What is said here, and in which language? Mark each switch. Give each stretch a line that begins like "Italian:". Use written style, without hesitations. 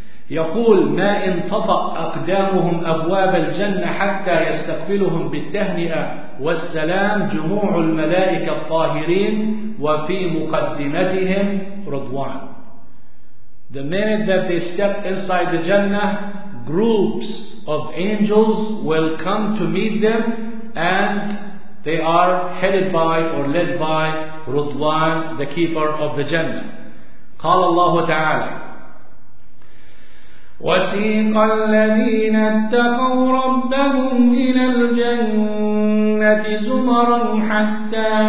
Arabic: يقول ما إن طفأ أقدامهم أبواب الجنة حتى يستقبلهم بالتهنئة والسلام جموع الملائكة الطاهرين وفي مقدمتهم رضوان.
English: The minute that they step inside the Jannah, groups of angels will come to meet them, and they are headed by or led by رضوان, the keeper of the Jannah.
Arabic: قال الله تعالى وسيق الذين اتقوا ربهم إلى الجنة زمرا حتى